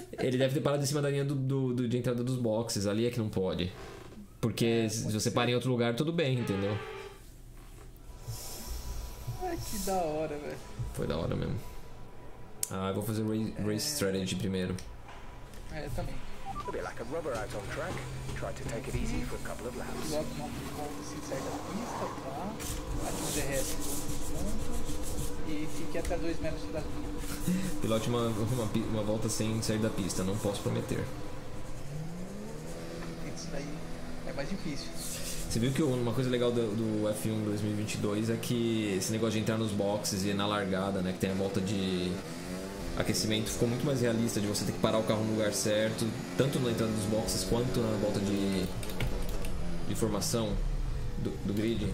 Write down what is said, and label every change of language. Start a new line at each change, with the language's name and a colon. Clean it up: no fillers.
Portuguese: Ele deve ter parado em cima da linha de entrada dos boxes. Ali é que não pode. Porque se você para em outro lugar, tudo bem, entendeu? Ai, que da hora, velho. Foi da hora mesmo. Ah, eu vou fazer race strategy primeiro. É, eu também.
English: A bit like a rubber out on track. Try to take it easy for a couple of laps.
Portuguese: Piloto uma volta sem sair da pista, tá? Aqui derrete um ponto e fique até 2 metros da pista. Piloto uma volta sem sair da pista, não posso prometer. Isso daí é mais difícil. Você viu que uma coisa legal do F1 2022 é que esse negócio de entrar nos boxes e na largada, né, que tem a volta de aquecimento, ficou muito mais realista de você ter que parar o carro no lugar certo, tanto na entrada dos boxes quanto na volta de formação do grid.